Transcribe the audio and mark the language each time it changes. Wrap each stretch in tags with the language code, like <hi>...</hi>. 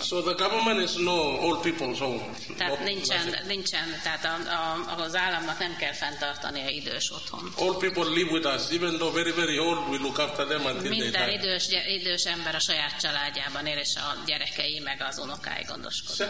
<en>So the government is no old people's home.</en> <hu>Tehát nincsen, tehát az államnak nem kell fenntartani a idős otthon.</hu> <en>Old people live with us, even though very very old, we look after them until they die.</en> <hu>Minden idős ember a saját családjában él, és a gyerekei meg az unokái gondoskodnak.</hu>